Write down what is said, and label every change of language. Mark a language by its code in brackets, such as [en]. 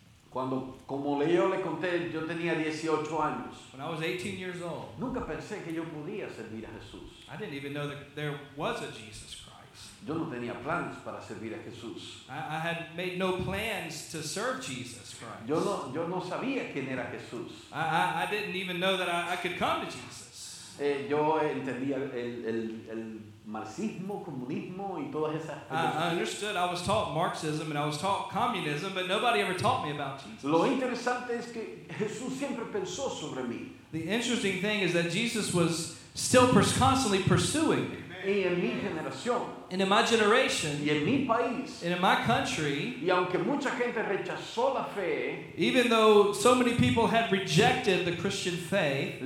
[es] Cuando, como yo le conté, yo tenía 18 años. [en] When I was 18 years old. [es] Nunca pensé que yo podía servir a Jesús. [en] I didn't even know that there was a Jesus Christ. [es] Yo no tenía planes para servir a Jesús. [en] I had made no plans to serve Jesus Christ. [es] Yo no sabía quién era Jesús. [en] I didn't even know that I could come to Jesus. [es] Yo entendía el marxismo, comunismo y todas esas. [en] I understood. I was taught Marxism and I was taught communism, but nobody ever taught me about Jesus. [es] Lo interesante es que Jesús siempre pensó sobre mí. [en] The interesting thing is that Jesus was still constantly pursuing me. [es] Y en mi generación, [en] and in my generation, [es] y en mi país, [en] and in my country, [es] y aunque mucha gente rechazó la fe, [en] even though so many people had rejected the Christian faith,